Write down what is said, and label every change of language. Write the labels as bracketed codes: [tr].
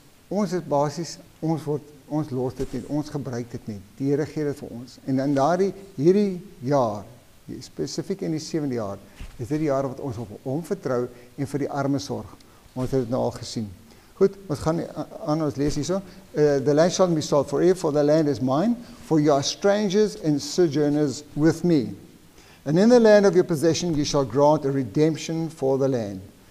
[af] Ons los dit net, ons gebruik dit net. Die Here gee dit vir ons. En in hierdie jaar, spesifiek in die 7de jaar, is dit die jaar wat ons op hom vertrou en vir die arme sorg. Ons het dit nou al gesien. Goed, ons gaan aan ons lees hierso. [en] The land shall be sold for the land is mine, for you are strangers and sojourners with me. And in the land of your possession you shall grant a redemption for the land.